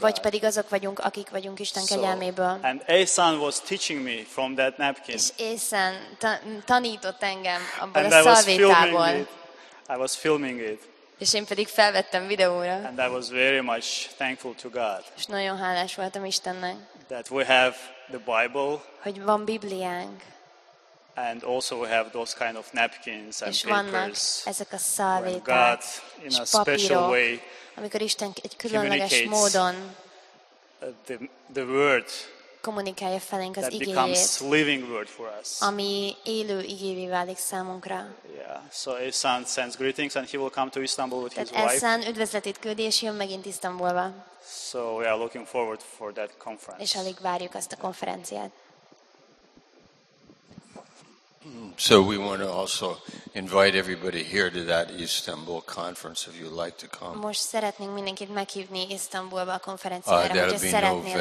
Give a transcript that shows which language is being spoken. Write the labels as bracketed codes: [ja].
[hu] Vagy pedig azok vagyunk, akik vagyunk Isten kegyelméből. [en] And Asan was teaching me from that napkin. [hu] És Asan tanított engem abban a szalvétából. [en] I was filming it. [hu] És én pedig felvettem videóra. [en] And I was very much thankful to God. [hu] És nagyon hálás voltam Istennek. [en] That we have the Bible. [hu] Hogy van Bibliánk. [en] And also we have those kind of napkins and [hu] és [en] papers. [hu] És vannak ezek a szalvéták. [en] When God in a special way. [hu] Amikor Isten egy különleges módon [en] the word [hu] kommunikálja felénk az igéjét. [en] That becomes living word for us. [hu] Ami élő igévé válik számunkra. Yeah. [en] So Asan sends greetings and he will come to Istanbul with his wife. [hu] Asan üdvözletét küldi és jön megint Isztambulba. [en] So we are looking forward for that conference. [hu] És alig várjuk azt a konferenciát. [en] So we want to also invite everybody here to that Istanbul conference if you'd like to come. [hu] Most szeretnénk mindenkit meghívni Isztambulba a konferenciára, hogyha szeretnél